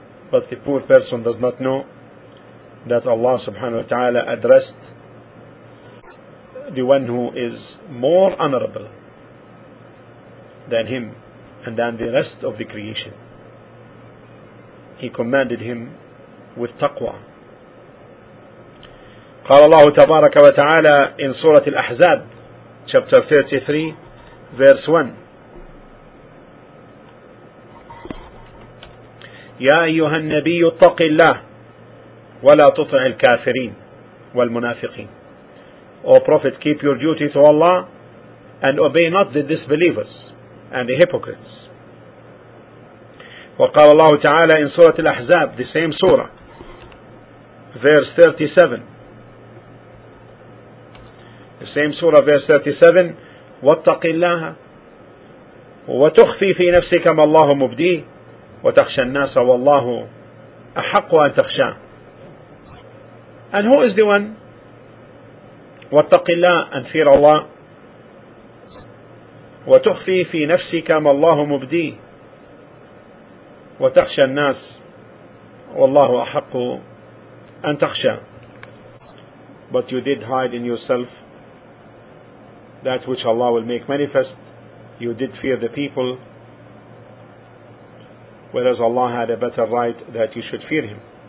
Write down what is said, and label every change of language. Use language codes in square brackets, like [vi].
[en] but the poor person does not know that Allah subhanahu wa ta'ala addressed the one who is more honorable than him and than the rest of the creation. He commanded him with taqwa. [ar] قال الله تبارك وتعالى [en] in [ar] سورة الأحزاب [en] chapter 33 verse 1, [ar] يا أيها النبي اتق الله ولا تطع الكافرين والمنافقين. [en] O Prophet, keep your duty to Allah and obey not the disbelievers and the hypocrites. [ar] وقال الله تعالى [en] in [ar] سورة الأحزاب, [en] the same surah, verse 37, [ar] the same surah, verse 37, وَاتَّقِ اللَّهَ وَتُخْفِي فِي نَفْسِكَ مَا اللَّهُ مُبْدِيهِ وَتَخْشَى النَّاسَ وَاللَّهُ أَحَقُّ أَن تَخْشَاهُ. [en] And who is the one? [ar] وَاتَّقِ اللَّهَ, [en] and fear Allah, [ar] وتخفي في نفسك ما الله مبدي وتخشى الناس والله أحق أن تخشى. [en] But you did hide in yourself that which Allah will make manifest. You did fear the people, whereas Allah had a better right that you should fear Him.